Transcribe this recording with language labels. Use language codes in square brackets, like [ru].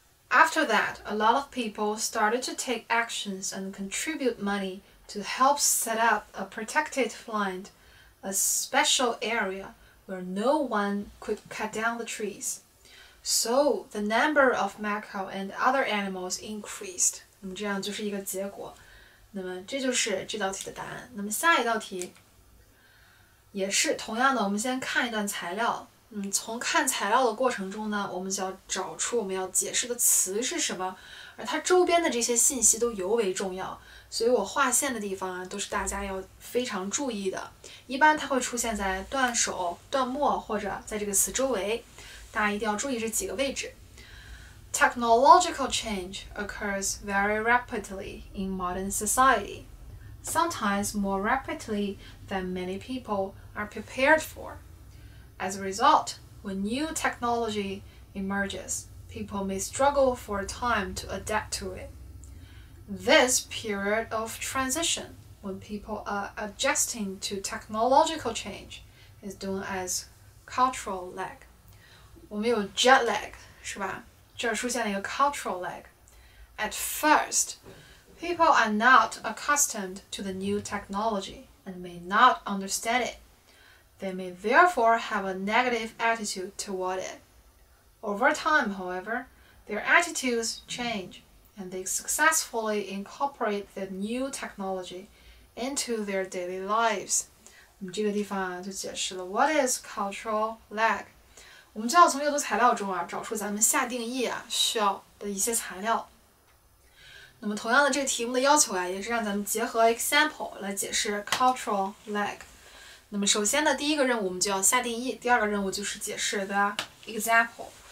[en] After that, a lot of people started to take actions and contribute money to help set up a protected land, a special area where no one could cut down the trees. So the number of macaw and other animals increased. [zh] 这样就是一个结果。那么这就是这道题的答案。那么下一道题也是同样的，我们先看一段材料。从看材料的过程中呢，我们就要找出我们要解释的词是什么，而它周边的这些信息都尤为重要。所以我划线的地方啊，都是大家要非常注意的。一般它会出现在段首、段末或者在这个词周围，大家一定要注意这几个位置。 [en] Technological change occurs very rapidly in modern society, sometimes more rapidly than many people are prepared for. As a result, when new technology emerges, people may struggle for a time to adapt to it. This period of transition, when people are adjusting to technological change, is known as cultural lag. [zh] 我们有 jet lag, 是吧？这出现了一个 cultural lag. [en] At first, people are not accustomed to the new technology and may not understand it. They may therefore have a negative attitude toward it. Over time, however, their attitudes change and they successfully incorporate the new technology into their daily lives. [zh] 这个地方就解释了 [en] what is cultural lag. [zh] 我们就要从阅读材料中啊找出咱们下定义啊需要的一些材料。那么同样的这个题目的要求啊也是让咱们结合 example 来解释 cultural lag。那么首先的第一个任务我们就要下定义，第二个任务就是解释 the example。